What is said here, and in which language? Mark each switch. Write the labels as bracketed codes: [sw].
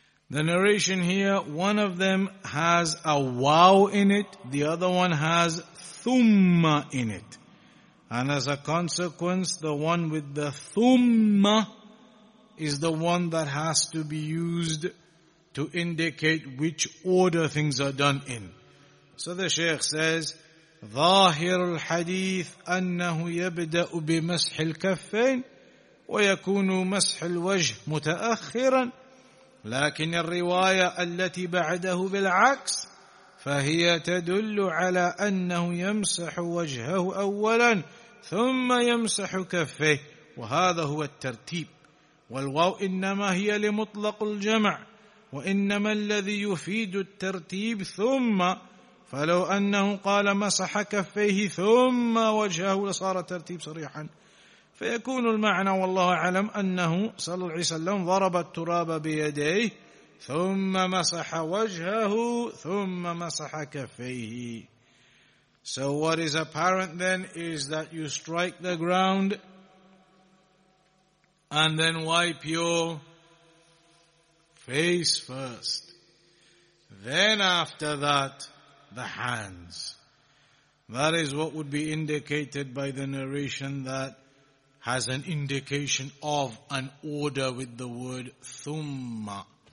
[en] The narration here, one of them has a wow in it, the other one has thumma in it. And as a consequence, the one with the thumma is the one that has to be used to indicate which order things are done in. So the Shaykh says, [ar] ظاهر الحديث أنه يبدأ بمسح الكفين ويكون مسح الوجه متأخرا لكن الرواية التي بعده بالعكس فهي تدل على أنه يمسح وجهه أولا ثم يمسح كفيه وهذا هو الترتيب والواو إنما هي لمطلق الجمع وإنما الذي يفيد الترتيب ثم فلو أنه قال مسح كفيه ثم وجهه لصار الترتيب صريحا فيكون المعنى والله أعلم أنه صلى الله عليه وسلم ضرب التراب بيديه ثم مسح وجهه ثم مسح كفيه. [en] So what is apparent then is that you strike the ground and then wipe your face first. Then after that, the hands. That is what would be indicated by the narration that has an indication of an order with the word thumma.